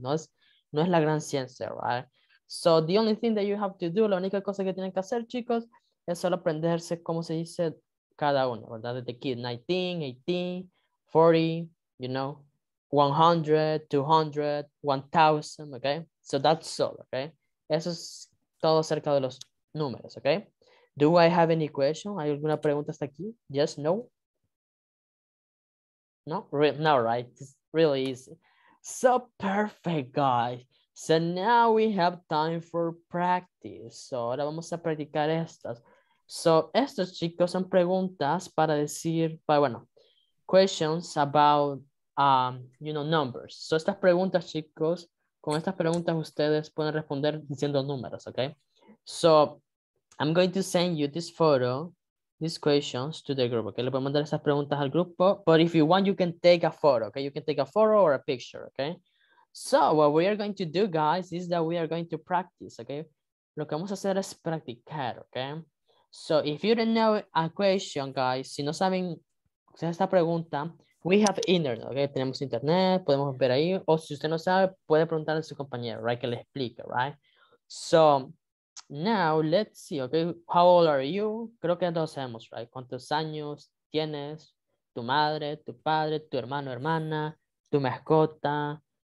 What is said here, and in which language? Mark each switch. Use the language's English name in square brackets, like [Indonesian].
[Spanish] No es la gran ciencia, [English] right? So, the only thing that you have to do, [Spanish] la única cosa que tienen que hacer, chicos, es solo aprenderse cómo se dice cada uno, ¿verdad? Desde aquí, [English] 19, 18, 40, you know, 100, 200, 1,000, okay? So, that's all, okay? [Spanish] Eso es todo acerca de los números, okay? [English] Do I have any question? [Spanish] ¿Hay alguna pregunta hasta aquí? [English] Yes, no? No, right? Really easy. So perfect, guys. So now we have time for practice. [Spanish] So ahora vamos a practicar estas. So estos, chicos, son preguntas para decir, para, bueno, [English] questions about, you know, numbers. [Spanish] So estas preguntas, chicos, con estas preguntas ustedes pueden responder diciendo números, okay? [English] So, I'm going to send you this photo, these questions to the group, okay? [Spanish] Le voy a mandar esas preguntas al grupo, [English] but if you want, you can take a photo, okay? You can take a photo or a picture, okay? So, what we are going to do, guys, is that we are going to practice, okay? [Spanish] Lo que vamos a hacer es practicar, [English] okay? So, if you don't know a question, guys, [Spanish] si no saben esta pregunta, [English] we have internet, okay? [Spanish] Tenemos internet, podemos ver ahí, o si usted no sabe, puede preguntar a su compañero, [English] right? [Spanish] Que le explique, [English] right? [Spanish] So, now, let's see, okay? [English] How old are you? [Spanish] Creo que todos sabemos, [English] right? [Spanish] ¿Cuántos años tienes? ¿Tu madre, tu padre, tu hermano, hermana, tu mascota?